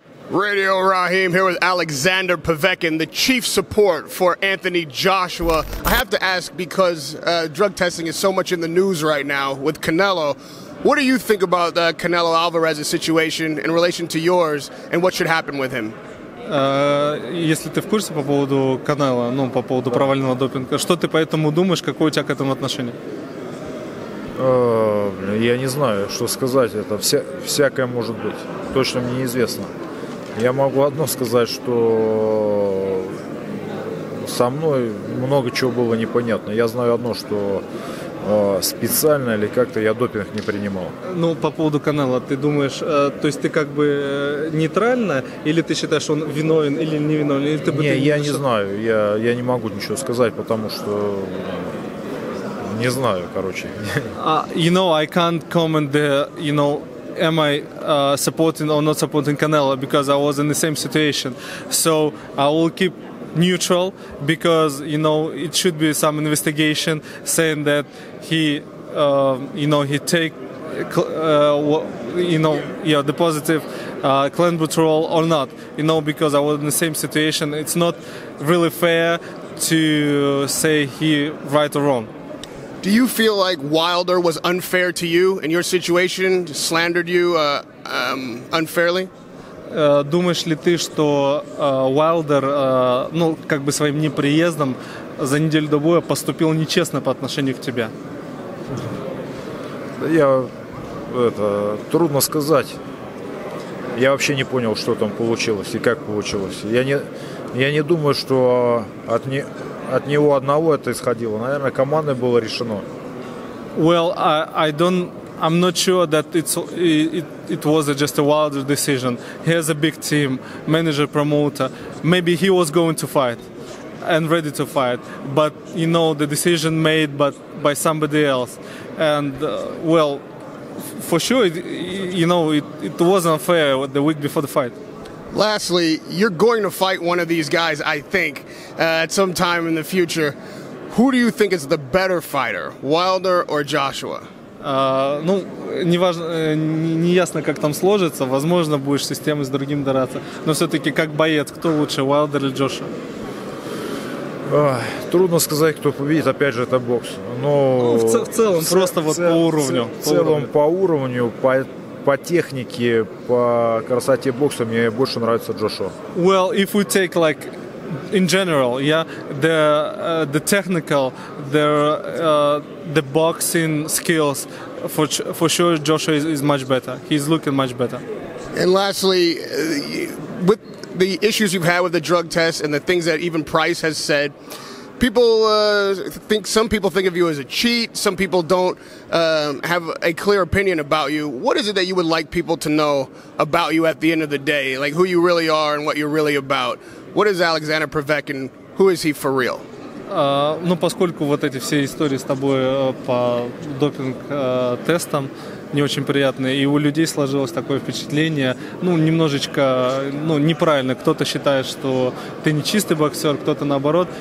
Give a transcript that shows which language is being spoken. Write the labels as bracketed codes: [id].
[en] Radio Raheem here with Alexander Povetkin, the chief support for Anthony Joshua. I have to ask, because drug testing is so much in the news right now with Canelo, what do you think about Canelo Alvarez's situation in relation to yours and what should happen with him? [ru] Если ты в курсе по поводу Канело, ну, по поводу провального допинга, что ты по этому думаешь, какое у тебя к этому отношение? Я не знаю, что сказать. Это всякое может быть. Точно мне неизвестно. Я могу одно сказать, что со мной много чего было непонятно. Я знаю одно, что специально или как-то я допинг не принимал. Ну, по поводу Канело, ты думаешь, то есть ты как бы нейтрально, или ты считаешь, что он виновен или не виновен? Или ты бы, не знаю, я не могу ничего сказать, потому что... Не знаю, короче. [en] I can't comment the, am I supporting or not supporting Canelo, because I was in the same situation. So I will keep neutral, because, it should be some investigation saying that he, he take, the positive clenbuterol or not, because I was in the same situation. It's not really fair to say he right or wrong. Do you feel like Wilder was unfair to you in your situation, slandered you unfairly? [ru] Думаешь ли ты, что Уайлдер, ну, как бы своим неприездом за неделю до боя поступил нечестно по отношению к тебе? Я, это, трудно сказать. Я вообще не понял, что там получилось и как получилось. Я не думаю, что от него одного это исходило. Наверное, командой было решено. [en] Well, I'm not sure that it was just a Wilder decision. He has a big team, manager, promoter. Maybe he was going to fight and ready to fight, but the decision made by somebody else. And for sure, it wasn't fair the week before the fight. Lastly, you're going to fight one of these guys, I think, at some time in the future. Who do you think is the better fighter, Wilder or Joshua? [ru] Не ясно, как там сложится. Возможно, будешь системы с другим драться. Но все-таки, как боец, кто лучше, Уайлдер или Джошуа? Трудно сказать, кто победит. Опять же, это бокс. В целом, по уровню, по технике, по красоте бокса мне больше нравится Джошуа. [en] Well, if we take like in general, the technical, the boxing skills, for sure Joshua is much better. He's looking much better. And lastly, with the issues you've had with the drug test and the things that even Price has said, some people think of you as a cheat. Some people don't have a clear opinion about you. What is it that you would like people to know about you at the end of the day, like who you really are and what you're really about? What is Alexander Povetkin? Who is he for real? [ru] Поскольку вот эти все истории с тобой по допинг-тестам не очень приятные, и у людей сложилось такое впечатление, немножечко неправильно. Кто-то считает, что ты не чистый боксер, кто-то наоборот.